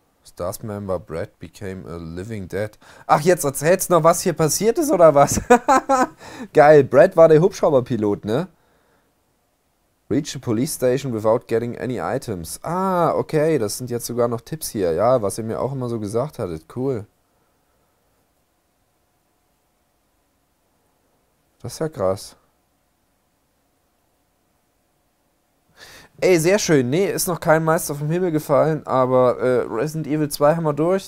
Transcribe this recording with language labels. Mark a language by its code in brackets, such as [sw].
[en] Stars Member Brad became a living dead. [de] Ach, jetzt erzählst du noch, was hier passiert ist, oder was? Geil, Brad war der Hubschrauberpilot, ne? [en] Reach the police station without getting any items. [de] Ah, okay, das sind jetzt sogar noch Tipps hier. Ja, was ihr mir auch immer so gesagt hattet. Cool. Das ist ja krass. Ey, sehr schön. Nee, ist noch kein Meister vom Himmel gefallen, aber Resident Evil 2 haben wir durch.